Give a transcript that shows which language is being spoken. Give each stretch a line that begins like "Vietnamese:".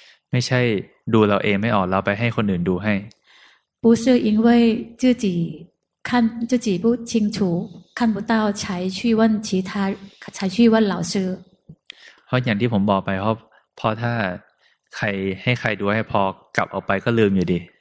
Thai: ไม่ใช่ดูเราเองไม่ออกเราไปให้คนอื่นดูให้
Chinese: 不是因为自己不清楚看不到才去问其他才去问老师
Thai: เพราะอย่างที่ผมบอกไปครับพอถ้าใครให้ใครดูให้พอกลับออกไปก็ลืมอยู่ดี